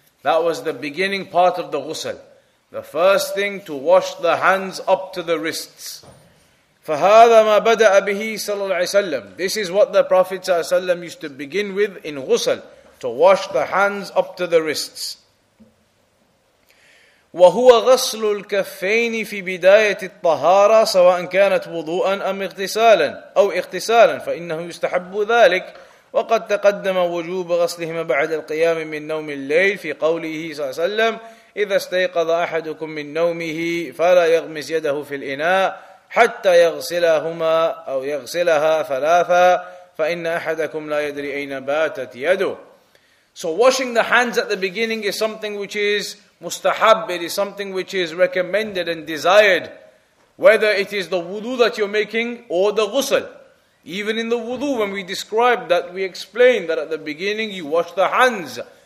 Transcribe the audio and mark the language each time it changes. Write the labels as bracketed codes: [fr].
[en] That was the beginning part of the ghusl. The first thing, to wash the hands up to the wrists. [ar] فَهَذَا مَا بَدَأَ بِهِ صَلَى اللَّهِ وَسَلَّمْ. [en] This is what the Prophet ﷺ used to begin with in ghusl, to wash the hands up to the wrists. [ar] وهو غسل الكفين في بداية الطهارة سواء كانت وضوءا أم اغتسالا أو اغتسالا فإنه يستحب ذلك وقد تقدم وجوب غسلهما بعد القيام من نوم الليل في قوله صلى الله عليه وسلم إذا استيقظ أحدكم من نومه فلا يغمس يده في الإناء حتى يغسلهما أو يغسلها ثلاثا فإن أحدكم لا يدري أين باتت يده. [en] So washing the hands at the beginning is something which is mustahab, it is something which is recommended and desired, whether it is the wudu that you're making or the ghusl. Even in the wudu, when we describe that, we explain that at the beginning you wash the hands.